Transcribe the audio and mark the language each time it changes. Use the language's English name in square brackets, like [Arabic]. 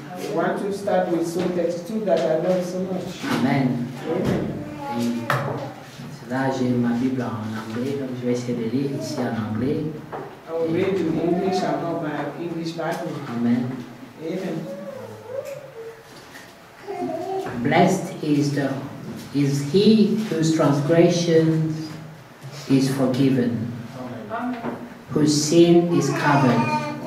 [English] I want to start with Psalm 32 that I love so much. Amen. [French] Et là, j'ai ma Bible en anglais, donc je vais essayer de lire ici en anglais. [English] I'll read in English about my English Bible. Amen. Amen. Blessed is the is he whose transgression is forgiven, whose sin is covered.